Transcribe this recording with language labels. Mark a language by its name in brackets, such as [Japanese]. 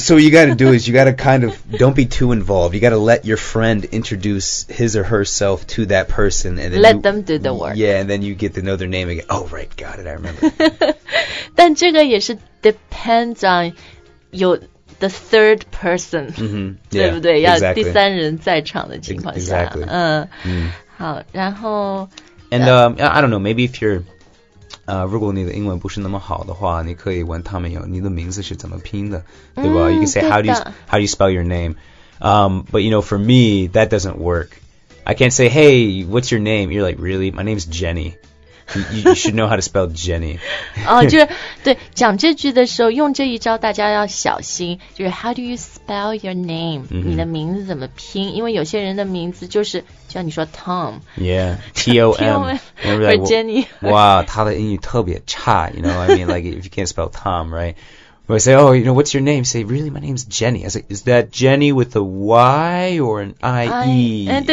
[English] So what you got to do is you got to kind of, don't be too involved. You got to let your friend introduce his or herself to that person. And then let them do the work. Yeah, and then you get to know their name again. Oh, right, got it, I remember. [Chinese] 但这个也是 [English] depends on [Chinese] 有 [English] the third person,、 mm-hmm. yeah, [Chinese] 对不对、 [English] exactly. [Chinese] 要第三人在场的情况下。 [English] Exactly.、 [Chinese] 好然后 [English] And I don't know, maybe if you're, [Chinese] 如果你的英文不是那么好的话，你可以问他们有你的名字是怎么拼的，对吧？ [English] You can say how do you spell your name? But you know, for me, that doesn't work. I can't say, hey, what's your name? You're like, really? My name's Jenny. You should know how to spell Jenny. [Chinese] 就是对讲这句的时候用这一招，大家要小心。就是 [English] how do you spell your name?、 Mm-hmm. [Chinese] 你的名字怎么拼？因为有些人的名字就是像你说 Tom. [English] Yeah, T-O-M. Or Jenny. [Chinese] Wow, 他的英语特别差。 [English] You know, I mean, like if you can't spell Tom, right? But I say, oh, you know, what's your name? Say, really, my name's Jenny. I say, is that Jenny with a Y or an I-E?